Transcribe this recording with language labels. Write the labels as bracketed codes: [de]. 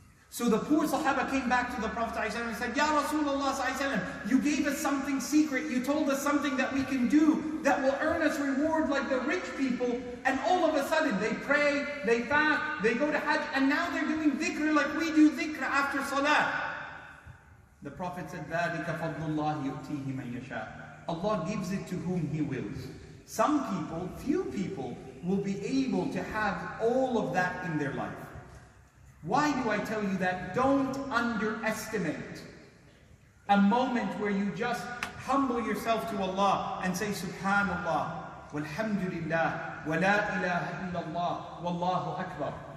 [en] So the poor Sahaba came back to the Prophet ﷺ and said, Ya Rasulullah ﷺ, you gave us something secret. You told us something that we can do that will earn us reward like the rich people. And all of a sudden they pray, they fast, they go to Hajj, and now they're doing dhikr like we do dhikr after salah. The Prophet said, [ar] ذَلِكَ فَضْلُ اللَّهِ يُؤْتِيهِ مَنْ يَشَاءُ. [en] Allah gives it to whom He wills. Some people, few people, will be able to have all of that in their life. Why do I tell you that? Don't underestimate a moment where you just humble yourself to Allah and say, Subhanallah, walhamdulillah, wa la ilaha illallah, wallahu akbar.